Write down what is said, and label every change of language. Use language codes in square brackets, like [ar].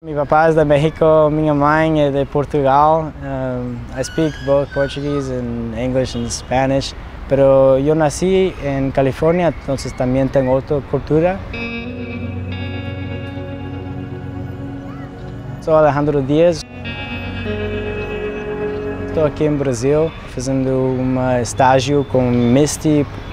[es] Mi papá es de México, mi mamá es de Portugal. [en] I speak both Portuguese and English and Spanish. [es] Pero yo nací en California, entonces también tengo otra cultura. Soy Alejandro Diaz. Estoy aquí en Brasil, haciendo un estágio con Misti.